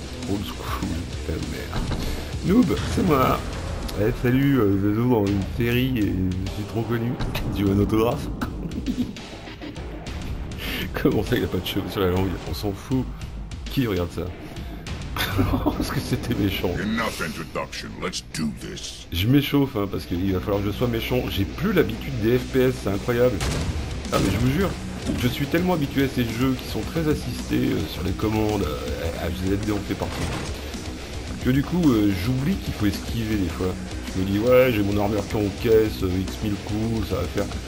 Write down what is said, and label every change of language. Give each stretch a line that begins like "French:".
French: Old school, ta mère. Noob, c'est moi. Ouais, salut, je vais jouer dans une série et je suis trop connu. Tu veux un autographe? Comment ça, il a pas de cheveux sur la langue? On s'en fout. Qui regarde ça? Parce que c'était méchant.
English: Enough introduction, let's do this.
French: Je m'échauffe, hein, parce qu'il va falloir que je sois méchant. J'ai plus l'habitude des FPS, c'est incroyable. Ah, mais je vous jure, je suis tellement habitué à ces jeux qui sont très assistés sur les commandes, HZD en fait partie. Que du coup, j'oublie qu'il faut esquiver des fois. Je me dis, ouais, j'ai mon armure qui est en caisse, X 1000 coups, ça va faire.